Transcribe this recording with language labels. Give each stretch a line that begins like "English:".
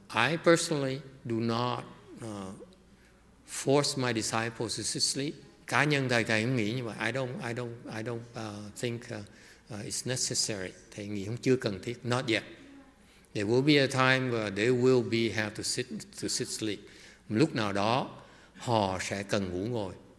English: I personally do not force my disciples to sit sleep.
Vietnamese: Cá nhân thầy cũng nghĩ như vậy.
English: I don't think it's necessary.
Vietnamese: Thầy nghĩ không chưa cần thiết.
English: Not yet. There will be a time where they will be have to sit sleep.
Vietnamese: Lúc nào đó họ sẽ cần ngủ ngồi.